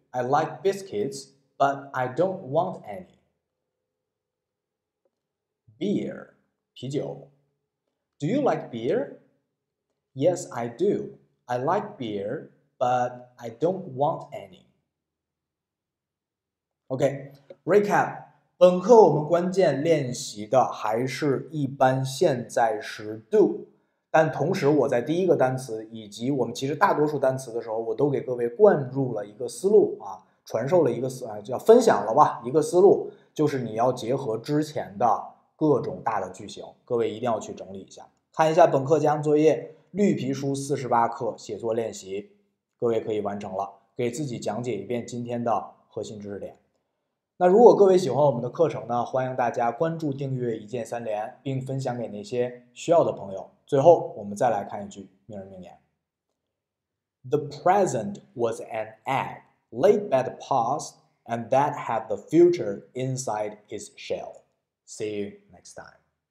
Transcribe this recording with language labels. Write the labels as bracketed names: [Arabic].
[English] I like biscuits, but I don't want any. Beer, 啤酒。Do you like beer? Yes, I do. I like beer, but I don't want any. [Chinese] OK，recap，本课我们关键练习的还是一般现在时 do，但同时我在第一个单词以及我们其实大多数单词的时候，我都给各位灌入了一个思路啊，传授了一个思啊，叫分享了吧，一个思路，就是你要结合之前的。各种大的句型，各位一定要去整理一下，看一下本课讲作业，绿皮书48课写作练习，各位可以完成了，给自己讲解一遍今天的核心知识点。那如果各位喜欢我们的课程呢，欢迎大家关注、订阅、一键三连，并分享给那些需要的朋友。最后，我们再来看一句名人名言：“ [English] The present was an egg laid by the past, and that had the future inside its shell.” See you next time.